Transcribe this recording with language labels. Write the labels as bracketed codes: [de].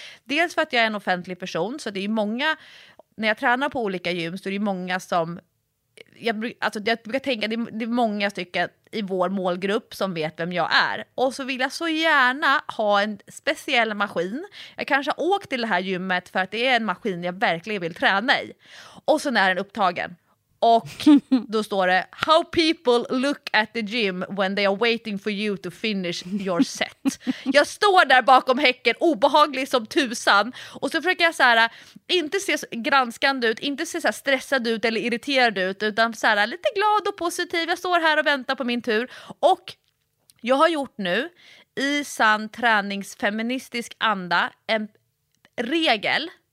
[sv] Dels för att jag är en offentlig person. Så det är ju många, när jag tränar på olika gym så är det ju många som jag brukar tänka att det är många stycken i vår målgrupp som vet vem jag är. Och så vill jag så gärna ha en speciell maskin. Jag kanske har åkt till det här gymmet för att det är en maskin jag verkligen vill träna i. Och så är den upptagen. Och då står det: [en] how people look at the gym when they are waiting for you to finish your set. [sv] Jag står där bakom häcken, obehaglig som tusan. Och så försöker jag så här, inte se granskande ut, inte se så här stressad ut eller irriterad ut, utan så här lite glad och positiv. Jag står här och väntar på min tur. Och jag har gjort nu, i sann träningsfeministisk anda, en regel.